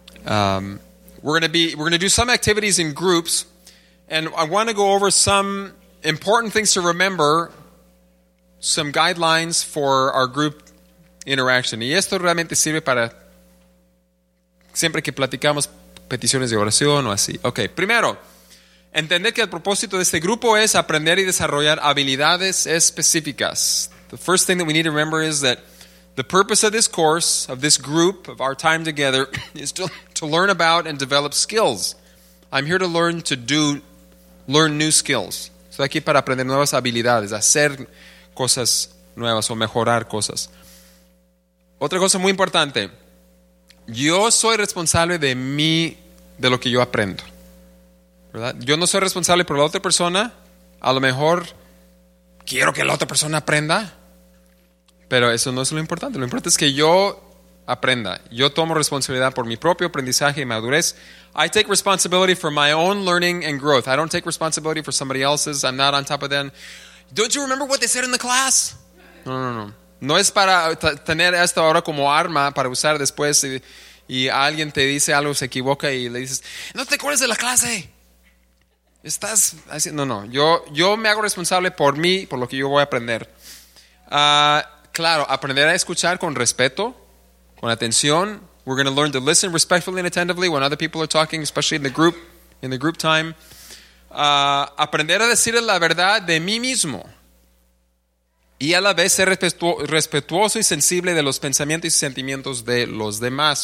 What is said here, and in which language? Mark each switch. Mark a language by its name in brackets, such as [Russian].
[English] We're gonna do some activities in groups, and I want to go over some important things to remember, some guidelines for our group interaction. [Spanish] Y esto realmente sirve para siempre que platicamos peticiones de oración o así. Okay, primero. Entender que el propósito de este grupo es aprender y desarrollar habilidades específicas. [English] The first thing that we need to remember is that the purpose of this course, of this group, of our time together, is to learn about and develop skills. I'm here to learn to do, learn new skills. [Spanish] Estoy aquí para aprender nuevas habilidades, hacer cosas nuevas o mejorar cosas. Otra cosa muy importante. Yo soy responsable de mí, de lo que yo aprendo, ¿verdad? Yo no soy responsable por la otra persona. A lo mejor quiero que la otra persona aprenda, pero eso no es lo importante. Lo importante es que yo aprenda. Yo tomo responsabilidad por mi propio aprendizaje y madurez. [English] I take responsibility for my own learning and growth. I don't take responsibility for somebody else's. I'm not on top of them. Don't you remember what they said in the class? [Spanish] No, no, no. No es para tener esto ahora como arma para usar después y alguien te dice algo, se equivoca y le dices, no te acuerdas de la clase. Estás haciendo... No, no. Yo me hago responsable por mí, por lo que yo voy a aprender. Claro, aprender a escuchar con respeto, con atención. [English] We're going to learn to listen respectfully and attentively when other people are talking, especially in the group time. [Spanish] Aprender a decir la verdad de mí mismo. Y a la vez ser respetuoso y sensible de los pensamientos y sentimientos de los demás.